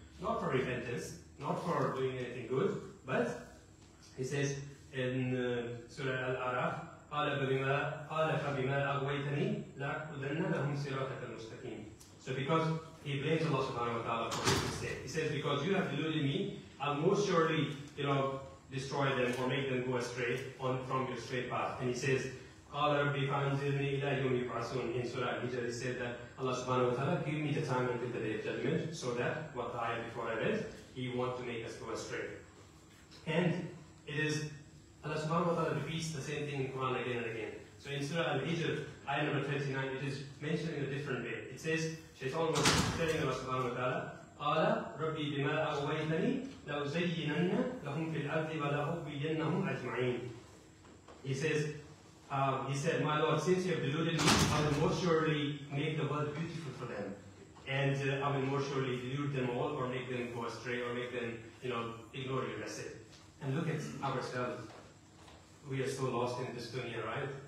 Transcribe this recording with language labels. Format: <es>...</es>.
<en>Not for repentance, not for doing anything good, but he says in Surah Al-Araf,</en> <ar>قَالَ فَبِمَا أَغْوَيْتَنِي لَأَقْدَنَّ لَهُمْ صِرَاطَكَ الْمُسْتَقِيمِ.</ar> <en>So because he blames Allah subhanahu wa ta'ala for his mistake. He says, because you have deluded me, I'll most surely, you know, destroy them or make them go astray on from your straight path. And he says,</en> <ar>قَالَ رَبِّ فَأَنْزِلْنِي إِلَىٰ يَوْمِ يُبْعَثُونَ.</ar> <en>In Surah Al-Hijr, he said that Allah subhanahu wa ta'ala, give me the time until the day of judgment, so that what the ayah before I read, he wants to make us go astray. And it is Allah subhanahu wa ta'ala repeats the same thing in Quran again and again. So in Surah Al-Hijr, ayah number 29, it is mentioned in a different way. It says, Shaitan was telling Allah subhanahu wa ta'ala,</en> <ar>قَالَ رَبِّي بِمَا أَغْوَيْتَنِي لَأُزَيِّنَنَّ لَهُمْ فِي الْأَرْضِ وَلَأُبِّيَنَّهُمْ أَجْمَعِينَ.</ar> <en>He said, my Lord, since you have deluded me, I will more surely make the world beautiful for them. And I will more surely delude them all, or make them go astray, or make them, you know, ignore your message. And look at ourselves. We are so lost in this dunya, right?</en>